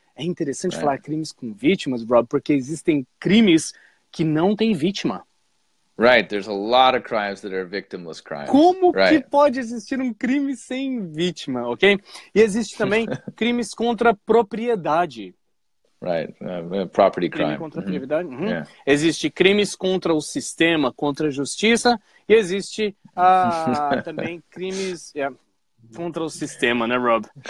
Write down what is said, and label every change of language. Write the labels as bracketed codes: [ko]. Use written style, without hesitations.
[pt] É interessante falar crimes com vítimas, Rob, porque existem crimes que não têm vítima. [en] Right, there's a lot of crimes that are victimless crimes. [pt] Como [en] right. [pt] que pode existir um crime sem vítima, ok? E existe também crimes contra propriedade. [en] Right, property crime. [pt] Crime contra propriedade. Uh-huh. Yeah. Existe crimes contra o sistema, contra a justiça. E existe também crimes contra o sistema, né, Rob?